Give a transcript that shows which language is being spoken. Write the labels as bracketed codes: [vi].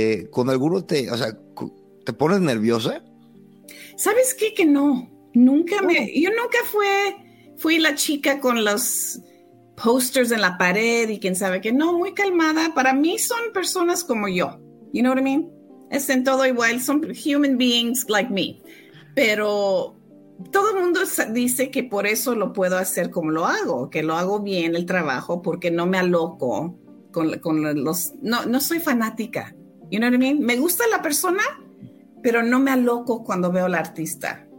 [es] ¿Con alguno te pones nerviosa? ¿Sabes qué? Que no. Nunca me. Yo nunca fui la chica con los posters en la pared y quién sabe qué. No, muy calmada. Para mí son personas como yo. [en] You know what I mean? [es] Están todo igual. [en] Son human beings like me. [es] Pero todo el mundo dice que por eso lo puedo hacer como lo hago, que lo hago bien el trabajo, porque no me aloco con los... No soy fanática, [en] you know what I mean? [es] Me gusta la persona, pero no me aloco cuando veo al artista.